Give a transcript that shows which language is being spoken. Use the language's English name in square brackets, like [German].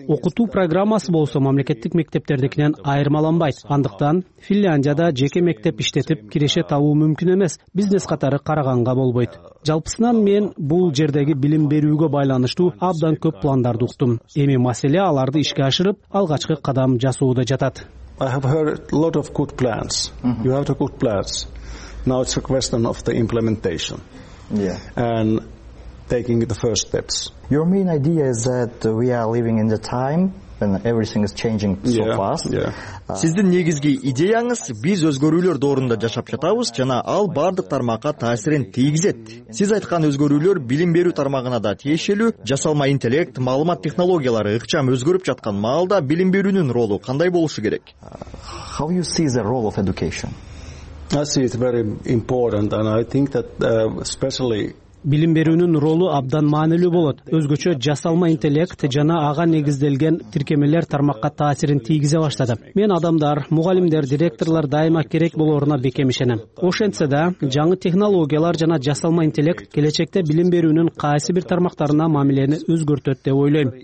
[Kyrgyz] Окутуу программасы болсо мамлекеттик мектептердикинен айырмаланбайт. Андыктан Финляндияда жеке мектеп иштетип киреше табуу мүмкүн эмес, бизнес катары караганга болбойт. Жалпысынан мен бул жердеги билим берүүгө байланыштуу абдан көп пландарды уктум. Эми маселе аларды ишке ашырып, алгачкы кадам жасоодо жатат. [English] I have heard a lot of good plans. You have the good plans. Now it's a question of the implementation. And taking the first steps. Your main idea is that we are living in the time and everything is changing so fast. [Kyrgyz] Сиздин негизги идеяңыз биз өзгөрүүлөр доорунда жашап жатабыз жана ал бардык тармакка таасирин тийгизет. Сиз айткан өзгөрүүлөр билим берүү тармагына да тиешелүү, жасалма интеллект, маалымат технологиялары ыкчам өзгөрүп жаткан маалда билим берүүнүн ролу кандай болушу керек? [English] How you see the role of education? I see it's very important and I think that especially [Kyrgyz] билим берүүнүн ролу абдан маанилүү болот. Өзгөчө жасалма интеллект жана ага негизделген тиркемелер тармакка таасирин тийгизе баштады. Мен адамдар, мугалимдер, директорлор дайыма керек болоруна бекем ишенем. Ошентсе да, жаңы технологиялар жана жасалма интеллект келечекте билим берүүнүн кайсы бир тармактарына мамилени өзгөртөт деп ойлойм.